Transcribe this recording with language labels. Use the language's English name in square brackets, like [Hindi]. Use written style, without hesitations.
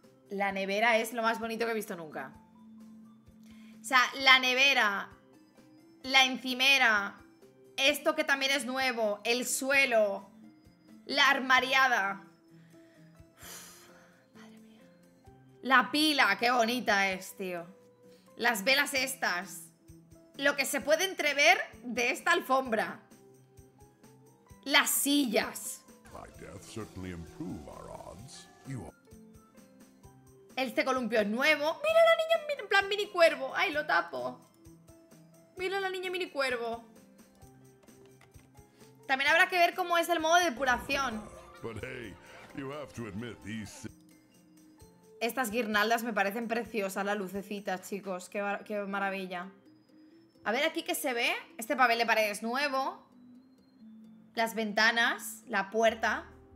[Spanish] La nevera es lo más bonito que he visto nunca. O sea, la nevera, la encimera, esto que también es nuevo, el suelo, la armariada. Uf, madre mía. La pila, qué bonita es, tío. Las velas estas. Lo que se puede entrever de esta alfombra. Las sillas. [English] My death certainly improve our odds. You are... [Spanish] Este columpio es nuevo. Mira a la niña en plan mini cuervo. Ay, lo tapo. Mira a la niña mini cuervo. También habrá que ver cómo es el modo de depuración. [English] But hey, you have to admit these... [Spanish] Estas guirnaldas me parecen preciosas. Las lucecitas, chicos. Qué maravilla. A ver aquí qué se ve. Este papel de pared es nuevo. Las ventanas, la puerta.